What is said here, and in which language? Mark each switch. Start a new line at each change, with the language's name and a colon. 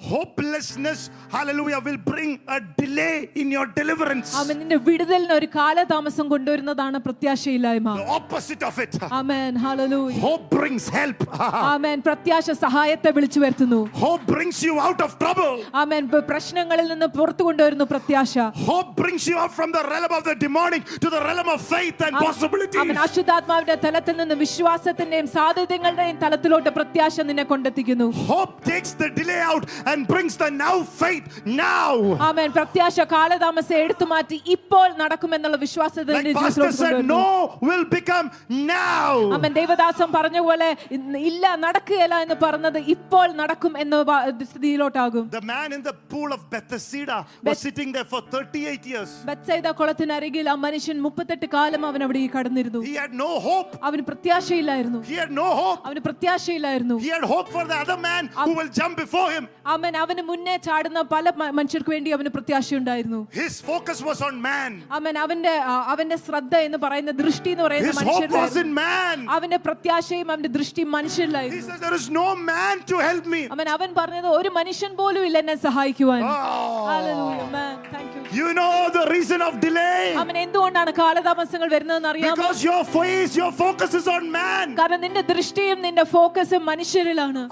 English: Hopelessness, hallelujah, will bring a delay in your deliverance. Amen.
Malayalam: നിന്റെ വിടുതലിന് ഒരു കാലതാമസം കൊണ്ടുവരുന്നതാണ് പ്രത്യാശയില്ലായ്മ.
English: The opposite of it. Amen. Hallelujah. Hope brings help. Amen.
Malayalam: പ്രത്യാശ സഹായത്തെ വിളിച്ചു വരുത്തുന്നു.
English: Hope brings you out of trouble. Amen.
Malayalam: പ്രശ്നങ്ങളിൽ നിന്ന് പുറത്തു കൊണ്ടുവരുന്നു പ്രത്യാശ.
English: Hope brings you out from the realm of the demonic to the realm of faith and possibilities. Amen.
Malayalam: അശുദ്ധാത്മാവിന്റെ തലത്തിൽ നിന്ന് വിശ്വാസത്തിന്റെയും സാധ്യതകളുടെയും തലത്തിലോട്ട് പ്രത്യാശ നിന്നെ കൊണ്ടെത്തിക്കുന്നു.
English: Hope takes the delay out and brings the now faith now. Amen.
Malayalam: പ്രത്യാശ കാലതാമസം എടുത്തു മാറ്റി ഇപ്പോൾ നടക്കുമെന്നുള്ള വിശ്വാസത്തിൽ നിന്ന് ജീവിതത്തിലോട്ട് കൊണ്ടുവരുന്നു.
English: No will become now. Amen.
Malayalam: ദൈവദാസം പറഞ്ഞ പോലെ ഇല്ല നടക്കുകയില്ല എന്ന് പറഞ്ഞത് ഇപ്പോൾ നടക്കും എന്ന സ്ഥിതിയിലോട്ടാകും.
English: The man in the pool of Bethesda was sitting there for 38 years.
Malayalam: ബെത്സയിദ കുളത്തിനരികിൽ ആ മനുഷ്യൻ 38 കാലം അവൻ അവിടെ കിടന്നിരുന്നു.
English: He had no hope.
Malayalam: അവന് പ്രത്യാശയില്ലായിരുന്നു.
English: He had no hope.
Malayalam: അവന് പ്രത്യാശയില്ലായിരുന്നു.
English: He had hope for the other man who will jump before him.
Malayalam: അമ്മേ അവന് മുന്നേ ചാടുന്ന പല മനുഷ്യർക്ക് വേണ്ടി അവന് പ്രത്യാശയുണ്ടായിരുന്നു. His focus was on man. അമ്മേ അവന്റെ ശ്രദ്ധ എന്ന് പറയുന്ന ദൃഷ്ടി എന്ന് പറയുന്ന മനുഷ്യരായിരുന്നു. അവന്റെ പ്രത്യാശയും അവന്റെ ദൃഷ്ടിയും മനുഷ്യരായിരുന്നു.
English: He says there is no man to help me.
Malayalam: അമ്മേ അവൻ പറഞ്ഞു ഒരു മനുഷ്യൻ പോലും ഇല്ല എന്നെ സഹായിക്കുവാൻ.
English: Hallelujah. Man, thank you. You know the reason of delay.
Malayalam: അമ്മേ എന്തുകൊണ്ടാണ് കാലതാമസങ്ങൾ വരുന്നതെന്ന് അറിയാം.
English: Because your face, your focus is on man.
Malayalam: കാരണം നിന്റെ ദൃഷ്ടിയും നിന്റെ ഫോക്കസും മനുഷ്യരിലാണ്.